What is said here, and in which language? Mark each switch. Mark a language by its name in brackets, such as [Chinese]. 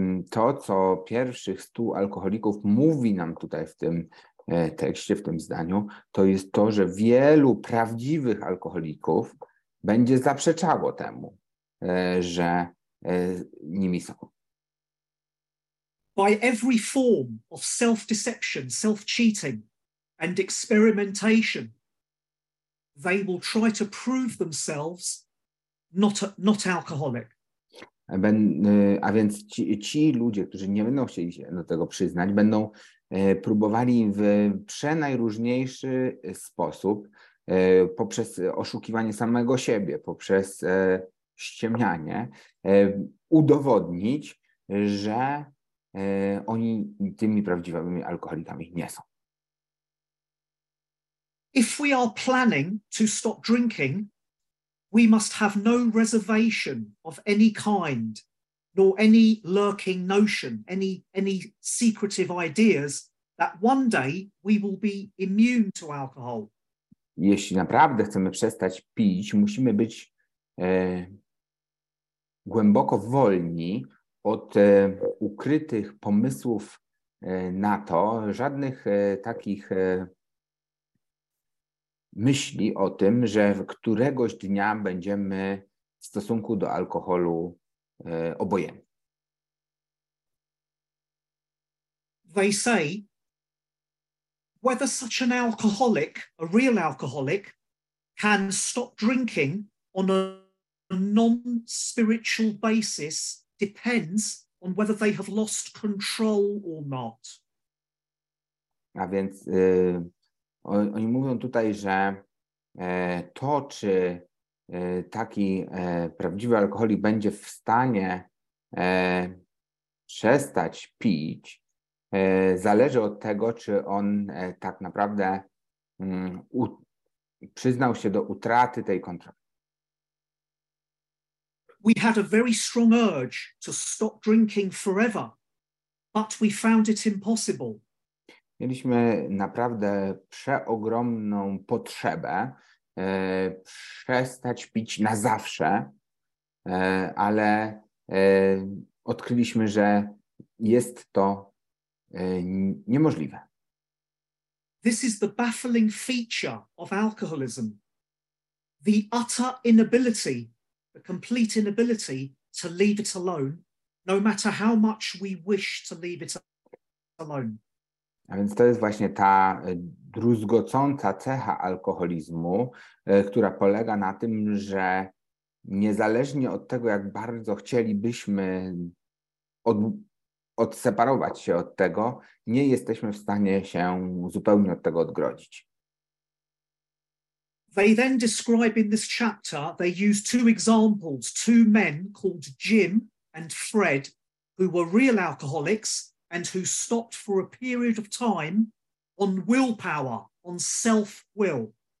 [Polish] To, co pierwszych 100 alkoholików mówi nam tutaj w tym tekście, w tym zdaniu, to jest to, że wielu prawdziwych alkoholików będzie zaprzeczało temu, że nimi są. [English] By every form of self-deception, self-cheating and experimentation, they will try to prove themselves not alcoholic. [Polish] A więc ci ludzie, którzy nie będą chcieli się do tego przyznać, będą próbowali w przenajróżniejszy sposób poprzez oszukiwanie samego siebie, poprzez ściemnianie, udowodnić, że oni tymi prawdziwymi alkoholikami nie są. [English] If we are planning to stop drinking, we must have no reservation of any kind, nor any lurking notion, any secretive ideas that one day we will be immune to alcohol. [Polish] Jeśli naprawdę chcemy przestać pić, musimy być głęboko wolni od ukrytych pomysłów na to, żadnych takich myśli o tym, że któregoś dnia będziemy w stosunku do alkoholu obojętni. [English] They say whether such an alcoholic, a real alcoholic, can stop drinking on a non-spiritual basis depends on whether they have lost control or not. [Polish] A więc oni mówią tutaj, że to, czy taki prawdziwy alkoholik będzie w stanie przestać pić, zależy od tego, czy on tak naprawdę przyznał się do utraty tej kontroli. [English] We had a very strong urge to stop drinking forever, but we found it impossible. [Polish] Mieliśmy naprawdę przeogromną potrzebę przestać pić na zawsze, ale odkryliśmy, że jest to niemożliwe. [English] This is the baffling feature of alcoholism. The utter inability, the complete inability to leave it alone, no matter how much we wish to leave it alone. [Polish] A więc to jest właśnie ta druzgocąca cecha alkoholizmu, która polega na tym, że niezależnie od tego, jak bardzo chcielibyśmy odseparować się od tego, nie jesteśmy w stanie się zupełnie od tego odgrodzić. [English] They then describe in this chapter, they use two examples, two men called Jim and Fred, who were real alcoholics, and who stopped for a period of time on willpower, on self-will.